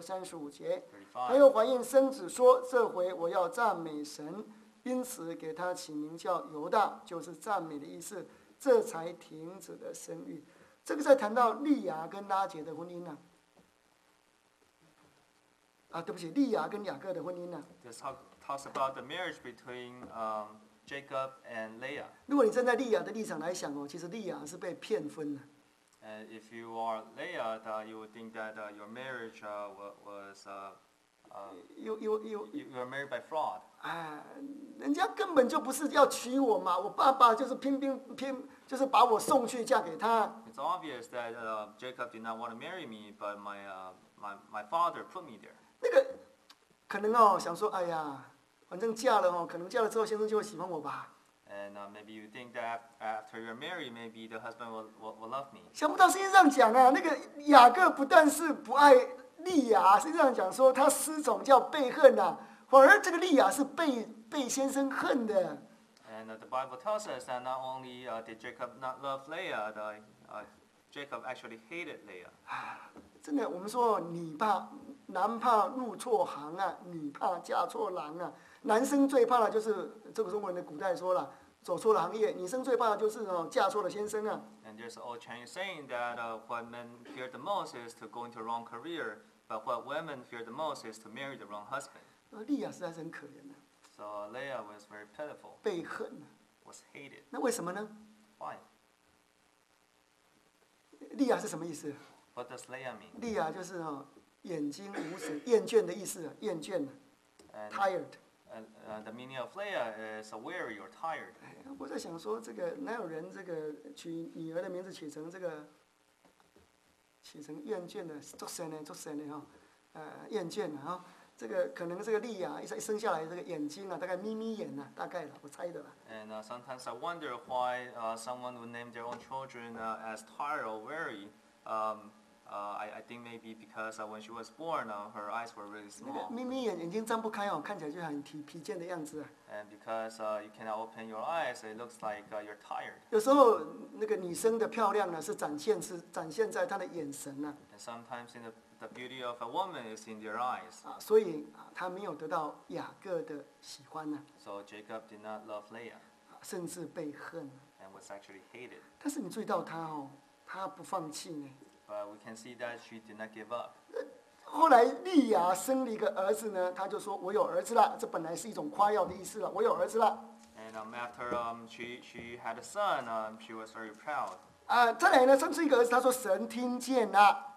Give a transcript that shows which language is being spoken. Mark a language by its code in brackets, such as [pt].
[zh] 35节，他又怀孕生子，说这回我要赞美神，因此给他起名叫犹大，就是赞美的意思，这才停止的生育。这个在谈到利亚跟拉结的婚姻呢、啊。啊，对不起，利亚跟雅各的婚姻呢、啊、 [en] ？This talks about the marriage between Jacob and Leah. [zh] 如果你站在利亚的立场来想哦，其实利亚是被骗婚的。 [en] And if you are Leah, you would think that your marriage was married by fraud. [zh] 哎，人家根本就不是要娶我嘛，我爸爸就是拼，就是把我送去嫁给他。 [en] It's obvious that Jacob did not want to marry me, but my father put me there. [zh] 那个可能哦，想说，哎呀，反正嫁了哦，可能嫁了之后，先生就会喜欢我吧。 [en] And maybe you think that after you're married, maybe the husband will love me. [zh] 想不到圣经上讲啊，那个雅各不但是不爱利亚，圣经上讲说他失宠叫被恨呐、啊，反而这个利亚是被先生恨的。 [en] And the Bible tells us that not only did Jacob not love Leah, but Jacob actually hated Leah. [zh] 真的，我们说你爸。男怕入错行啊，女怕嫁错郎啊。男生最怕的就是这个中国人的古代说了，走错了行业。女生最怕的就是哦，嫁错了先生啊。 [en] And there's an old Chinese saying that what men fear the most is to go into the wrong career, but what women fear the most is to marry the wrong husband. [zh] 利亚实在是很可怜的。 [en] So Leah was very pitiful. [zh] 被恨。 [en] Was hated. [zh] 那为什么呢 [en] ？Why? [zh] 利亚是什么意思 [en] ？What does Leah mean? [zh] 利亚就是哦。眼睛无神，厌倦的意思，厌倦 tired. [en] The meaning of Leah is weary or tired. [zh] 我在想说，这个哪有人这个取女儿的名字取成这个，取成厌倦的，作神呢，作神呢哈，厌倦的哈，这个可能这个利亚一生下来这个眼睛啊，大概眯眯眼呐、啊，大概了，我猜的了。 [en] And sometimes I wonder why someone would name their own children as tired or weary. I think maybe because when she was born, her eyes were really small. [zh] 眯眯眼，眼睛张不开哦，看起来就很疲倦的样子。 [en] And because you cannot open your eyes, it looks like you're tired. [zh] 有时候那个女生的漂亮呢，是展现在她的眼神呢。 [en] And sometimes in the beauty of a woman is in their eyes. [zh] 所以她没有得到雅各的喜欢呢。 [en] So Jacob did not love Leah. [zh] 甚至被恨。 [en] And was actually hated. [zh] 但是你注意到她哦，她不放弃呢。 [en] But we can see that she did not give up. [zh] 后来利亚生了一个儿子呢，他就说：“我有儿子了。” 这本来是一种夸耀的意思了，我有儿子了。 [en] And after she had a son, she was very proud. [zh] 再来呢，生出一个儿子，他说：“神听见了。